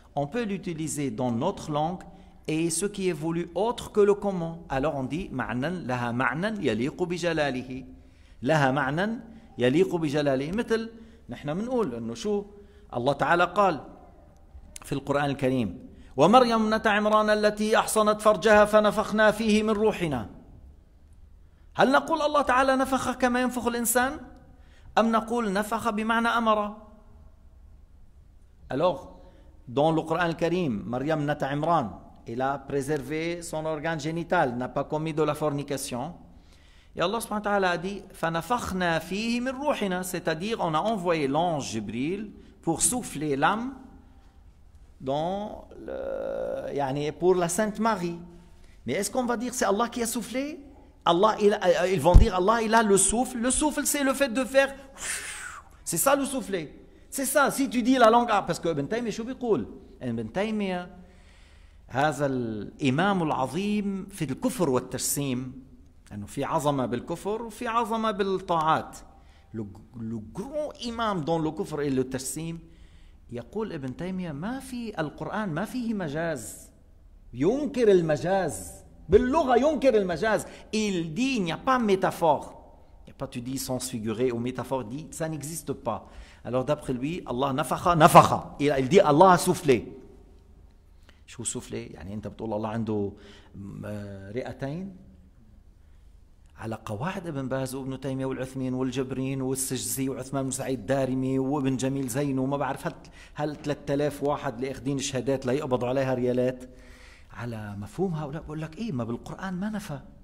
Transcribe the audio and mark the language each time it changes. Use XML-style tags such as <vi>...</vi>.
<fr>On peut l'utiliser dans notre langue et ce qui est voulu autre que le comment. Alors, on dit,</fr> <ar>ma'nan, laha ma'nan, yaliqu bijalalihi. Laha ma'nan, يليق بجلاله. مثل نحن منقول انه شو الله تعالى قال في القرآن الكريم, ومريم بنت عمران التي احصنت فرجها فنفخنا فيه من روحنا. هل نقول الله تعالى نفخ كما ينفخ الانسان, ام نقول نفخ بمعنى امر؟</ar> <fr>alors dans le Coran</fr> <ar>الكريم, مريم بنت عمران الى</ar> <fr>préservé son organe génital, n'a pas commis de la fornication. Et Allah subhanahu wa ta'ala a dit «</fr> <ar>فَنَفَخْنَا فِيهِ مِنْ رُوحِنَا</ar> <fr>» C'est-à-dire, on a envoyé l'ange Jibril pour souffler l'âme dans le,</fr> <ar>يعني,</ar> <fr>pour la Sainte Marie. Mais est-ce qu'on va dire c'est Allah qui a soufflé? Allah, ils vont dire Allah, il a le souffle. Le souffle, c'est le fait de faire... C'est ça le souffler. C'est ça, si tu dis la langue... Ah, parce que Ibn Taymiyyah, je vais dire.</fr> <ar>Ibn Taymiyyah, هذا الإمام العظيم في الكفر والترسيم. أنه في عظمة بالكفر وفي عظمة بالطاعات.</ar> <fr>Le grand imam dans le kufr et le tersim,</fr> <ar>يقول ابن تيمية ما في القرآن ما فيه مجاز. ينكر المجاز باللغة, ينكر المجاز.</ar> <fr>Il dit il n'y a pas métaphore. Il n'y a pas, tu dis sens figuré ou métaphore, il dit ça n'existe pas. Alors d'après lui, Allah</fr> <ar>نفخ نفخ.</ar> <fr>Il dit Allah a soufflé.</fr> <ar>شو soufflé؟ يعني أنت بتقول الله عنده رئتين. على قواعد ابن باز وابن تيمية والعثمين والجبرين والسجزي وعثمان بن سعيد الدارمي وابن جميل زين وما بعرف, هل 3000 واحد لاخذين شهادات لا يقبضوا عليها ريالات؟ على مفهوم هؤلاء بقول لك ايه, ما بالقران ما نفى.</ar>